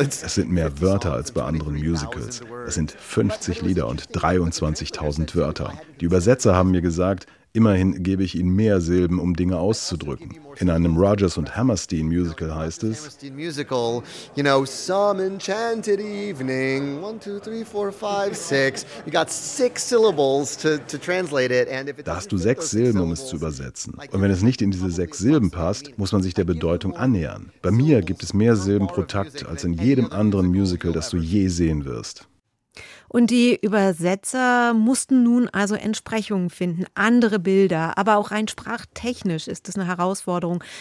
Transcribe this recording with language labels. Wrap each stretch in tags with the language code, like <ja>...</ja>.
<de>Es sind mehr Wörter als bei anderen Musicals. Es sind 50 Lieder und 23.000 Wörter. Die Übersetzer haben mir gesagt, Immerhin gebe ich ihnen mehr Silben, um Dinge auszudrücken. In einem Rodgers und Hammerstein Musical heißt es:</de> <en>You know, some enchanted evening, 1, 2, 3, 4, 5, 6. You got 6 syllables to translate it.</en> <de>Da hast du 6 Silben, um es zu übersetzen. Und wenn es nicht in diese 6 Silben passt, muss man sich der Bedeutung annähern. Bei mir gibt es mehr Silben pro Takt als in jedem anderen Musical, das du je sehen wirst. Und die Übersetzer mussten nun also Entsprechungen finden, andere Bilder, aber auch rein sprachtechnisch ist es eine Herausforderung.</de>